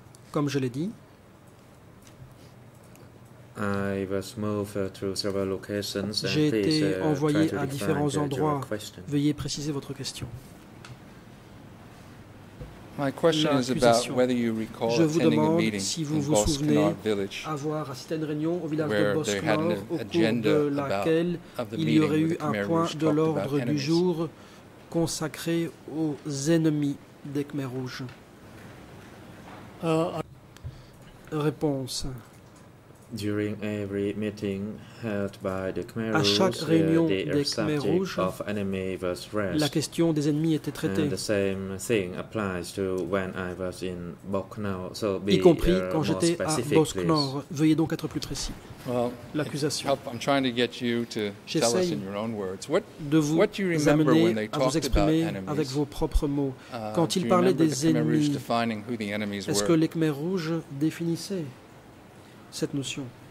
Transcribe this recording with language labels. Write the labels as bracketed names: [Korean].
[French] Comme je l'ai dit. [English] I was moved through several locations. [French] J'ai été envoyé à différents endroits. Veuillez préciser votre question. [English] My question is about whether you recall attending a meeting [French] si vous vous souvenez avoir assisté à une réunion au village de Bosknor au cours de laquelle il y aurait eu un point de l'ordre du jour consacré aux ennemis des Khmer Rouges. Réponse. [English] During every meeting held by the Khmer Rouge, [French] à chaque réunion des Khmer Rouges, la question des ennemis était traitée. [English] And the same thing applies to when I was in Bosknor. So [French] y compris quand j'étais à Bosknor. Veuillez donc être plus précis. [English] Well, [French] l'accusation. [English] I'm trying to get you to tell us in your own words. What do you remember when they talked about enemies? [French] À vous exprimer avec vos propres mots. Quand ils parlaient des ennemis, est-ce que les Khmer Rouges définissaient cette notion?